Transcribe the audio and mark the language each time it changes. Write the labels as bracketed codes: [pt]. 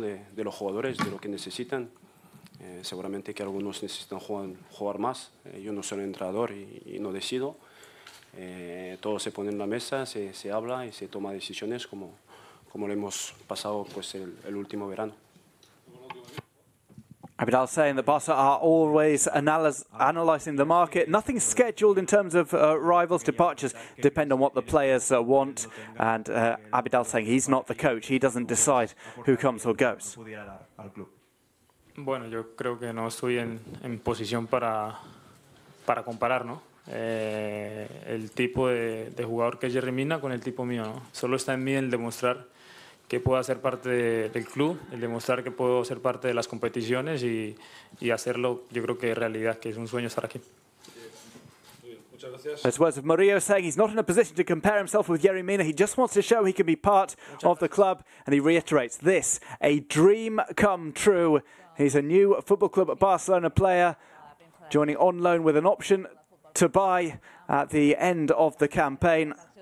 [es] de los jugadores, de lo que necesitan. Seguramente que algunos necesitan jugar más. Yo no soy el entrenador y no decido. Todo se pone en la mesa, se habla y se toma decisiones como lo hemos pasado pues el último verano. [en] Abidal saying that Barca are always analysing the market. Nothing scheduled in terms of rivals. Departures depend on what the players want. And Abidal saying he's not the coach. He doesn't decide who comes or goes. [es] Bueno, yo creo que no estoy en posición para comparar, ¿no? El tipo de jugador que es Jerry Mina con el tipo mío, ¿no? Solo está en mí el demostrar que pueda ser parte del club, el demostrar que puedo ser parte de las competiciones y hacerlo, yo creo que es realidad, que es un sueño estar aquí. [en] As words of Mourinho saying he's not in a position to compare himself with Yerry Mina. He just wants to show he can be part of the club. And he reiterates this, a dream come true. He's a new football club Barcelona player, joining on loan with an option to buy at the end of the campaign.